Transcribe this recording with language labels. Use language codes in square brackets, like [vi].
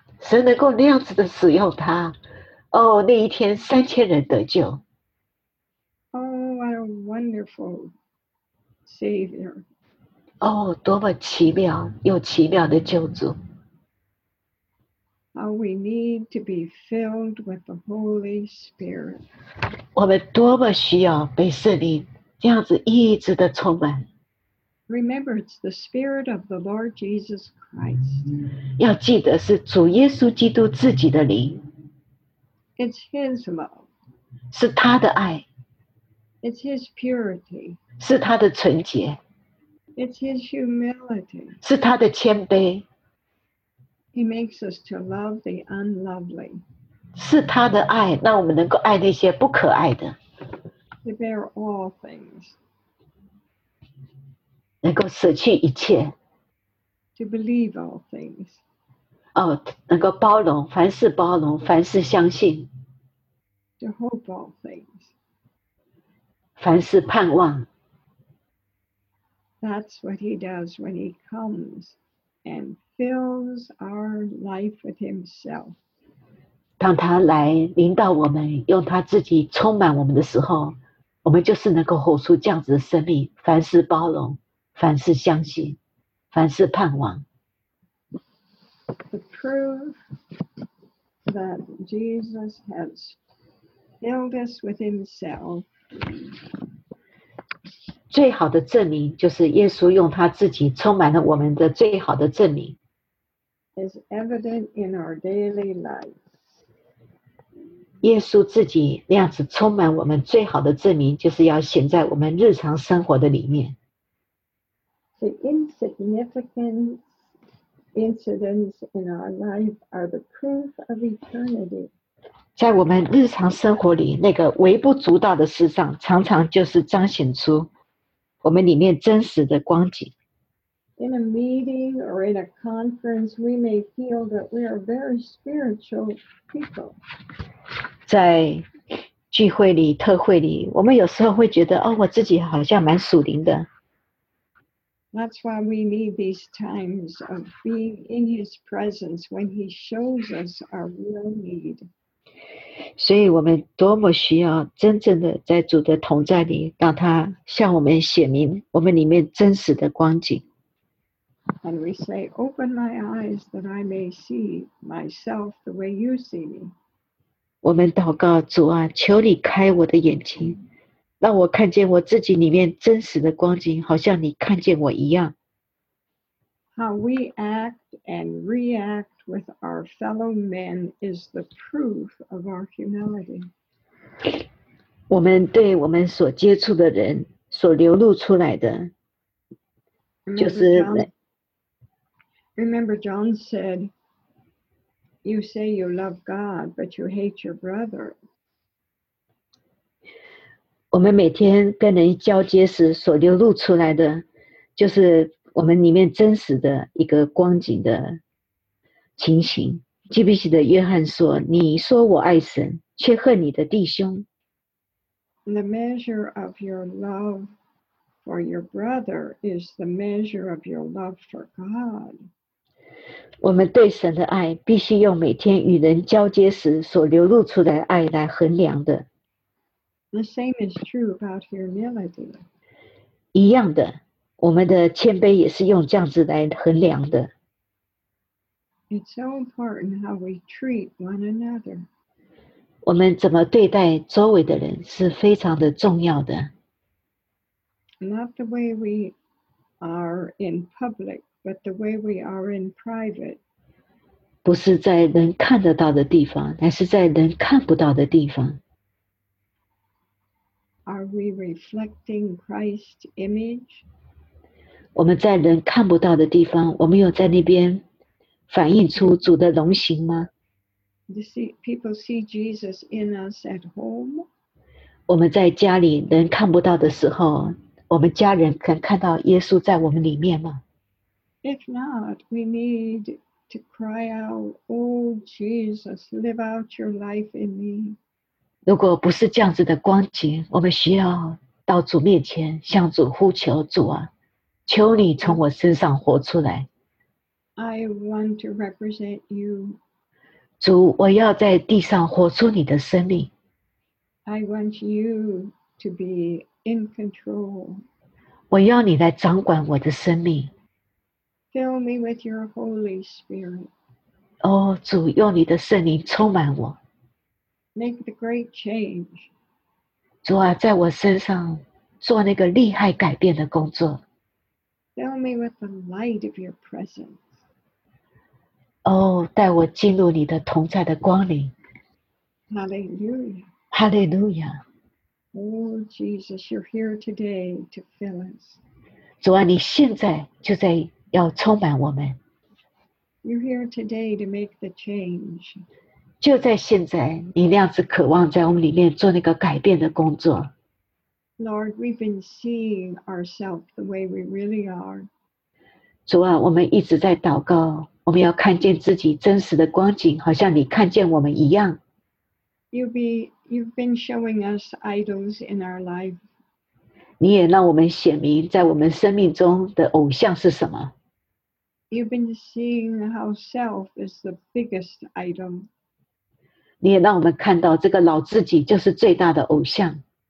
[zh] 神能够那样子的使用他，哦，那一天3000人得救。 [en] Oh, what a wonderful Savior. [zh] 哦，多么奇妙又奇妙的救主。 [en] How we need to be filled with the Holy Spirit. [zh] 我们多么需要被圣灵这样子一直的充满。 [en] Remember, it's the Spirit of the Lord Jesus Christ. [zh] 要记得是主耶稣基督自己的灵。 [en] It's His love. [zh] 是他的爱。 [en] It's His purity. [zh] 是他的纯洁。 [en] It's His humility. [zh] 是他的谦卑。 [en] He makes us to love the unlovely. [zh] 是他的爱，让我们能够爱那些不可爱的。 [en] To bear all things. [zh] 能够舍去一切。 [en] To believe all things. [zh] 哦，能够包容，凡事包容，凡事相信。 [en] To hope all things. [zh] 凡事盼望。 [en] That's what he does when he comes and fills our life with himself. [zh] 当他来临到我们，用他自己充满我们的时候，我们就是能够活出这样子的生命，凡事包容，凡事相信，凡事盼望。 [en] The proof that Jesus has filled us with himself. [zh] 最好的证明就是耶稣用他自己充满了我们的最好的证明。 [en] Is evident in our daily life. [zh] 耶稣自己那样子充满我们最好的证明就是要显在我们日常生活的里面。 [en] The insignificant incidents in our life are the proof of eternity. [zh] 在我们日常生活里，那个微不足道的事上，常常就是彰显出我们里面真实的光景。 [en] In a meeting or in a conference, we may feel that we are very spiritual people. [zh] 在聚会里、特会里，我们有时候会觉得，哦，我自己好像蛮属灵的。 [en] That's why we need these times of being in His presence when He shows us our real need. [zh] 所以我们多么需要真正的在主的同在里，让他向我们显明我们里面真实的光景。 [en] And we say, open my eyes that I may see myself the way you see me. [zh] 我们祷告主啊，求你开我的眼睛，让我看见我自己里面真实的光景，好像你看见我一样。 [en] How we act and react with our fellow men is the proof of our humility. [zh] 我们对我们所接触的人所流露出来的，就是。 [en] Remember, John said, "You say you love God, but you hate your brother." [zh] 我们每天跟人交接时所流露出来的，就是我们里面真实的一个光景的情形。记不记得约翰说：“你说我爱神，却恨你的弟兄。” [en] The measure of your love for your brother is the measure of your love for God. [zh] 我们对神的爱必须用每天与人交接时所流露出来的爱来衡量的。 [en] The same is true about humility. [zh] 一样的。我们的谦卑也是用这样子来衡量的。 [en] It's so important how we treat one another. [zh] 我们怎么对待周围的人是非常的重要的。 [en] Not the way we are in public, but the way we are in private. [zh] 不是在人看得到的地方，而是在人看不到的地方。 [en] Are we reflecting Christ's image? [zh] 我们在人看不到的地方，我们有在那边反映出主的荣形吗？ [en] Do people see Jesus in us at home? [zh] 我们在家里人看不到的时候，我们家人可看到耶稣在我们里面吗？ [en] If not, we need to cry out, Oh Jesus, live out your life in me. [zh] 如果不是这样子的光景，我们需要到主面前向主呼求，主啊，求你从我身上活出来。 [en] I want to represent you. [zh] 主，我要在地上活出你的生命。 [en] I want you to be in control. [zh] 我要你来掌管我的生命。 [en] Fill me with your Holy Spirit. [zh] 哦，主，用你的圣灵充满我。 [en] Make the great change. [zh] 主啊，在我身上做那个厉害改变的工作。 [en] Fill me with the light of your presence. [zh] 哦，带我进入你的同在的光临。 [en] Hallelujah. Hallelujah. Oh, Jesus, you're here today to fill us. [zh] 主啊，你现在就在要充满我们。 [en] You're here today to make the change. [zh] 就在现在，你那样子渴望在我们里面做那个改变的工作。 [en] Lord, we've been seeing ourselves the way we really are. [zh] 主啊，我们一直在祷告，我们要看见自己真实的光景，好像你看见我们一样。 [en] You've been showing us idols in our life. [zh] 你也让我们显明在我们生命中的偶像是什么。 [en] You've been seeing how self is the biggest idol. [zh] 你也让我们看到这个老自己就是最大的偶像。